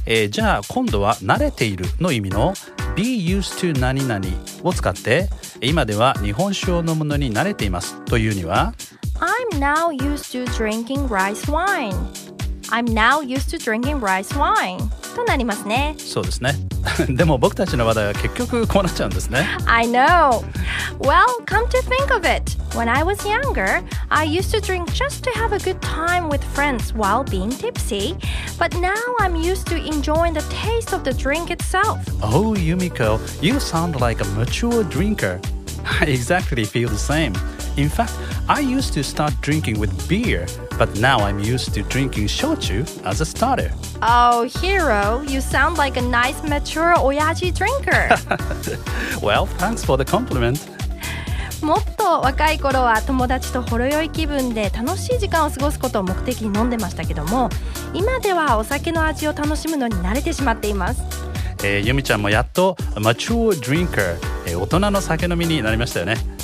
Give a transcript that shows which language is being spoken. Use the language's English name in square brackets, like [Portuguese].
[Japanese] じゃあ今度は慣れているの意味の be used to 何々を使って、今では日本酒を飲むのに慣れていますというには、 [English] I'm now used to drinking rice wine. [Japanese] となりますね。そうですね。でも僕たちの話題は結局こうなっちゃうんですね。 [English] I know. Well, come to think of it. When I was younger, I used to drink just to have a good time with friends while being tipsy. But now I'm used to enjoying the taste of the drink itself. Oh, Yumiko, you sound like a mature drinker. I exactly feel the same. In fact, I used to start drinking with beer, but now I'm used to drinking shochu as a starter. Oh, Hiro, you sound like a nice mature oyaji drinker. Well, thanks for the compliment. [Japanese] もっと若い頃は友達とほろ酔い気分で楽しい時間を過ごすことを目的に飲んでましたけども、今ではお酒の味を楽しむのに慣れてしまっています。ゆみちゃんもやっとマチュアドリンカー、大人の酒飲みになりましたよね。